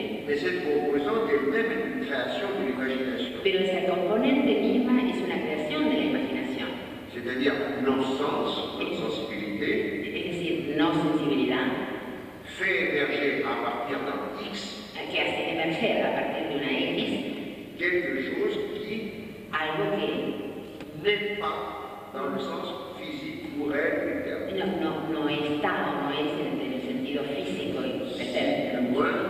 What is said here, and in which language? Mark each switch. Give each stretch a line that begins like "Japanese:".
French: Mais cette composante est même une création de l'imagination.
Spanish: Pero esa componente misma es una creación de la imaginación.
French: C'est-à-dire nos sens, nos sensibilité.
Spanish: Es decir, nos sensibilidad.
French: Fait émerger à partir d'un X.
Spanish: Que hace emerger a partir de una X.
French: Quelque chose qui.
Spanish: Algo que.
French: N'est pas dans le sens physique ou réel du terme.
Spanish: No está o no es en el sentido físico y etérico.